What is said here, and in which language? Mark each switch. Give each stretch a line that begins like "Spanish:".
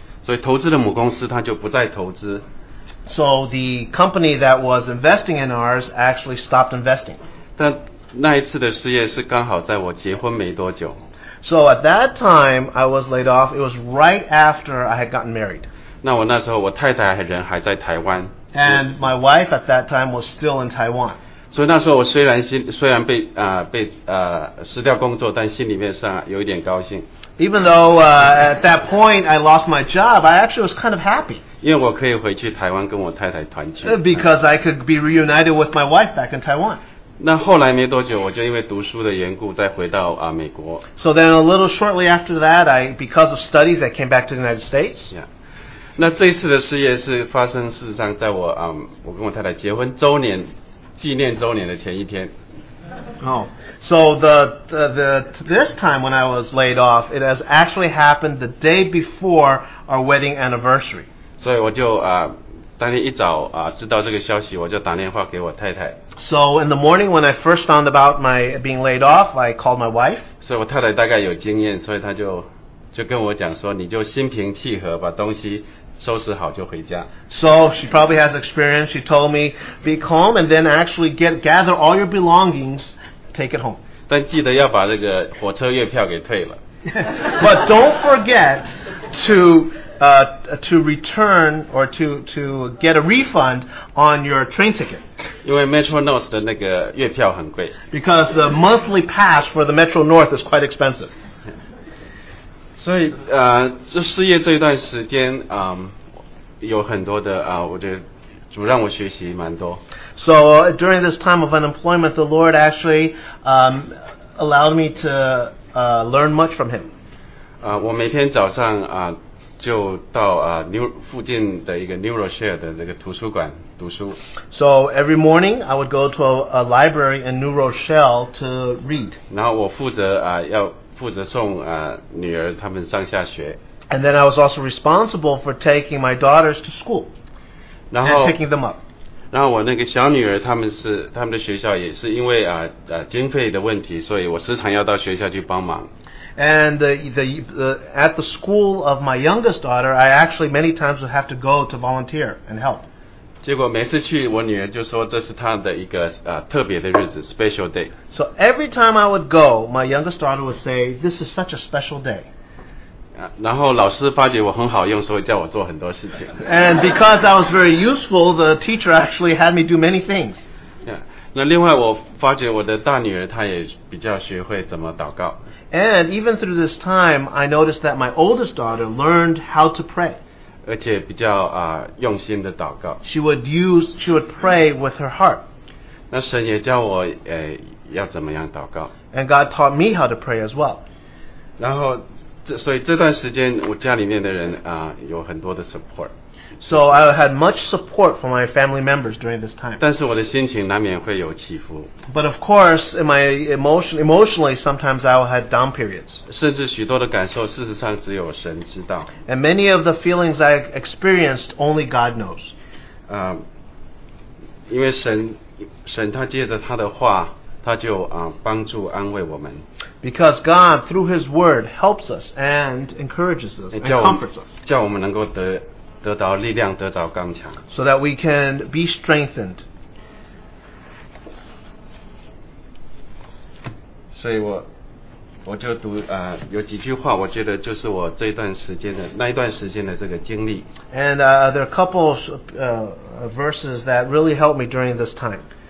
Chinese: 所以投资的母公司它就不再投资。
English: So the company that was investing in ours actually stopped investing.
Chinese: 但那一次的失业是刚好在我结婚没多久。
English: So at that time, I was laid off. It was right after I had gotten married.
Chinese: 那我那时候我太太人还在台湾。
English: And my wife at that time was still in Taiwan.
Chinese: 所以那时候我虽然被失掉工作，但心里面上有一点高兴。
English: Even though at that point I lost my job, I actually was kind of happy.
Chinese: 因为我可以回去台湾跟我太太团聚。
English: Because I could be reunited with my wife back in Taiwan.
Chinese: 那后来没多久，我就因为读书的缘故再回到美国。
English: So then a little shortly after that, I because of studies, I came back to the United States. Yeah.
Chinese: 那这一次的失业是发生事实上在我跟我太太结婚周年纪念周年的前一天。
English: Oh, so this time when I was laid off, it has actually happened the day before our wedding anniversary.
Chinese: 所以我就当天一早知道这个消息，我就打电话给我太太。
English: So in the morning when I first found about my being laid off, I called my wife.
Chinese: 所以我太太大概有经验，所以她就跟我讲说，你就心平气和把东西收拾好就回家。
English: So she probably has experience. She told me, be calm and then actually gather all your belongings, take it home.
Chinese: 但记得要把这个火车月票给退了。
English: But don't forget to return or to get a refund on your train ticket.
Chinese: 因为 Metro North 的那个月票很贵。
English: Because the monthly pass for the Metro North is quite expensive.
Chinese: 所以这失业这一段时间有很多的我觉得主让我学习蛮多。
English: So during this time of unemployment, the Lord actually allowed me to learn much from him.
Chinese: 我每天早上就到附近的一个 NeuroShare 的那个图书馆读书。
English: So every morning I would go to a library in NeuroShare to read.
Chinese: 然后我负责要负责送女儿他们上下学。
English: And then I was also responsible for taking my daughters to school and picking them up.
Chinese: 然后我那个小女儿他们是他们的学校也是因为啊啊经费的问题，所以我时常要到学校去帮忙。
English: And at the school of my youngest daughter, I actually many times would have to go to volunteer and help.
Chinese: 结果每次去，我女儿就说这是她的一个啊特别的日子 ，
English: special day. So every time I would go, my youngest daughter would say, "This is such a special day."
Chinese: 然后老师发觉我很好用，所以叫我做很多事情。
English: And because I was very useful, the teacher actually had me do many things. Yeah.
Chinese: 那另外我发觉我的大女儿她也比较学会怎么祷告。
English: And even through this time, I noticed that my oldest daughter learned how to pray.
Chinese: 而且比较啊用心的祷告。
English: She would pray with her heart.
Chinese: 那神也教我要怎么样祷告。
English: And God taught me how to pray as well.
Chinese: 然后所以这段时间我家里面的人啊有很多的 support.
English: So I had much support from my family members during this time.
Chinese: 但是我的心情难免会有起伏。
English: But of course, in my emotionally, sometimes I had down periods.
Chinese: 甚至许多的感受事实上只有神知道。
English: And many of the feelings I experienced, only God knows.
Chinese: 因为神他借着他的话他就帮助安慰我们。
English: Because God, through His Word, helps us and encourages us and comforts us.
Chinese: 叫我们能够得到力量，得着刚强。
English: So that we can be strengthened.
Chinese: 所以我就读有几句话，我觉得就是我这段时间的那一段时间的这个经历。
English: And there are a couple of verses that really helped me during this time.